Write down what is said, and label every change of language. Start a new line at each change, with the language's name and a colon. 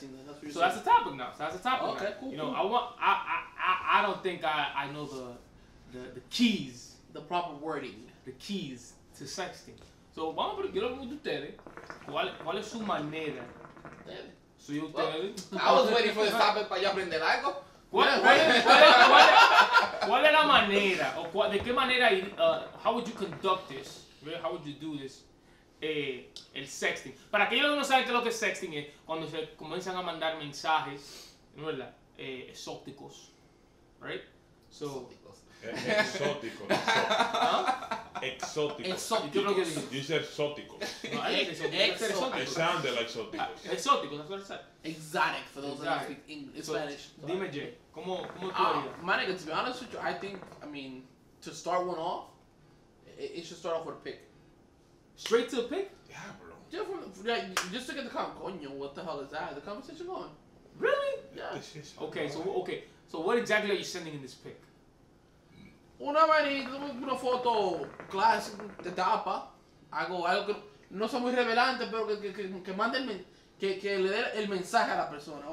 English: what you're so saying. That's the topic now. So that's the topic. Okay, now. Cool. You know, I don't think I know the keys, the proper wording, the keys to sexting.
Spanish: So vamos a preguntar a ustedes cuál es su manera.
English: So you tell me. I was waiting for this topic
Spanish: para yo aprender algo. ¿Cuál es la manera? O de qué manera?
English: How would you conduct this? Really, how would you do this? El sexting.
Spanish: Para aquellos que no saben qué es lo que es sexting, es cuando se comienzan a mandar mensajes, ¿no es verdad?
English: Exóticos. Right? So,
Spanish: exóticos. Exóticos. Exóticos. Exóticos. Dice exóticos. Exóticos.
English: It sounded like exóticos. Exóticos, that's what it said. Exotic, for those that speak English, so, Spanish.
Spanish: Dime, Jay. ¿Cómo tú harías?
English: My nigga, to be honest with you, I think, I mean, to start one off, it should start off with a pick. Straight to the pick? Yeah, bro. Yeah, just to get the conversation. Coño, what the hell is that? The conversation going. Really? Yeah. Okay, so what exactly are you sending in this pick?
Spanish: Una manita, una foto clásica de tapa. Algo que no sea muy revelante, pero que mande el que le dé el mensaje a la persona.